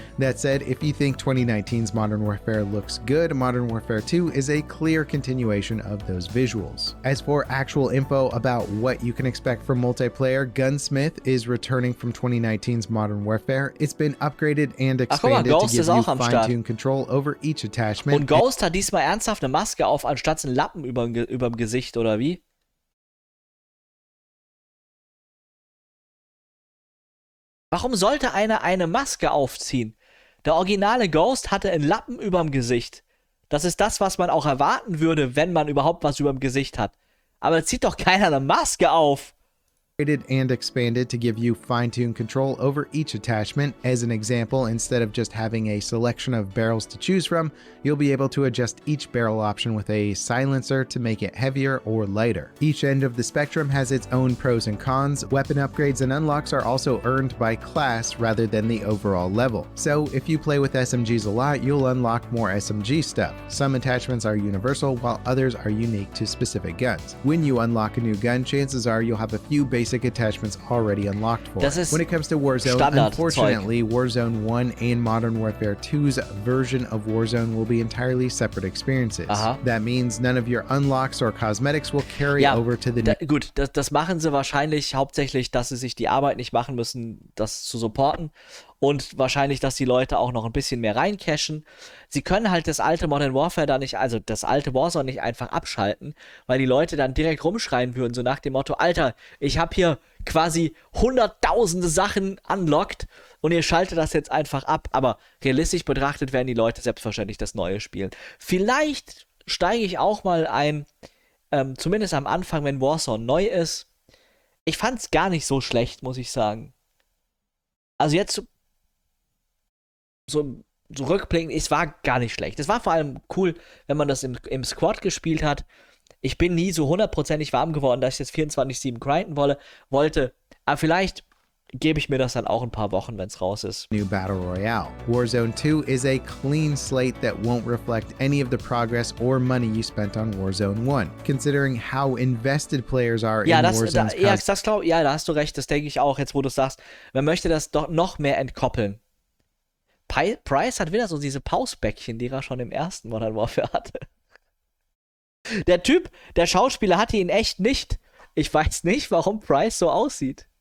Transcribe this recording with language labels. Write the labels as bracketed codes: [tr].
[en] That said, if you think 2019's Modern Warfare looks good, Modern Warfare 2 is a clear continuation of those visuals. As for actual info about what you can expect from multiplayer, Gunsmith is returning from 2019's Modern Warfare. It's been upgraded and expanded to give you fine-tuned control over each attachment. [de] Und Ghost hat diesmal ernsthaft eine Maske auf, anstatt einen Lappen über im Gesicht oder wie? Warum sollte einer eine Maske aufziehen? Der originale Ghost hatte einen Lappen überm Gesicht. Das ist das, was man auch erwarten würde, wenn man überhaupt was überm Gesicht hat. Aber zieht doch keiner eine Maske auf. [en] And expanded to give you fine-tuned control over each attachment. As an example, instead of just having a selection of barrels to choose from, you'll be able to adjust each barrel option with a silencer to make it heavier or lighter. Each end of the spectrum has its own pros and cons. Weapon upgrades and unlocks are also earned by class rather than the overall level. So if you play with SMGs a lot, you'll unlock more SMG stuff. Some attachments are universal, while others are unique to specific guns. When you unlock a new gun, chances are you'll have a few basic attachments already unlocked for. When it comes to Warzone, unfortunately, Warzone 1 and Modern Warfare 2's version of Warzone will be entirely separate experiences. That means none of your unlocks or cosmetics will carry over to the new. [de] Gut, das machen sie wahrscheinlich hauptsächlich, dass sie sich die Arbeit nicht machen müssen, das zu supporten. Und wahrscheinlich, dass die Leute auch noch ein bisschen mehr reincashen. Sie können halt das alte Modern Warfare da nicht, also das alte Warzone nicht einfach abschalten, weil die Leute dann direkt rumschreien würden, so nach dem Motto, Alter, ich habe hier quasi hunderttausende Sachen unlocked und ihr schaltet das jetzt einfach ab. Aber realistisch betrachtet werden die Leute selbstverständlich das neue spielen. Vielleicht steige ich auch mal ein, zumindest am Anfang, wenn Warzone neu ist. Ich fand's gar nicht so schlecht, muss ich sagen. Also jetzt so rückblickend, es war gar nicht schlecht. Es war vor allem cool, wenn man das im Squad gespielt hat. Ich bin nie so hundertprozentig warm geworden, dass ich jetzt 24/7 grinden wollte. Aber vielleicht gebe ich mir das dann auch ein paar Wochen, wenn es raus ist. [en] New Battle Royale. Warzone 2 is a clean slate that won't reflect any of the progress or money you spent on Warzone 1. Considering how invested players are [de] ja, [en] in [de] das, [en] Warzone's [de] da, ja, das glaub, ja, da hast du recht, das denke ich auch, jetzt wo du sagst. Man möchte das doch noch mehr entkoppeln. Price hat wieder so diese Pausbäckchen, die er schon im ersten Modern Warfare hatte. Der Typ, der Schauspieler hatte ihn echt nicht. Ich weiß nicht, warum Price so aussieht.